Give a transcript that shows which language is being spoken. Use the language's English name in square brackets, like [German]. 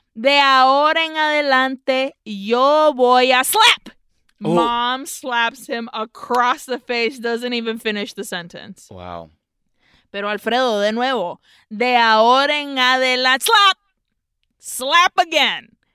[Spanish] De ahora en adelante, yo voy a [English] slap. Ooh. Mom slaps him across the face, doesn't even finish the sentence. Wow. [Spanish] Pero Alfredo, de nuevo, de ahora en adelante, [English] slap again.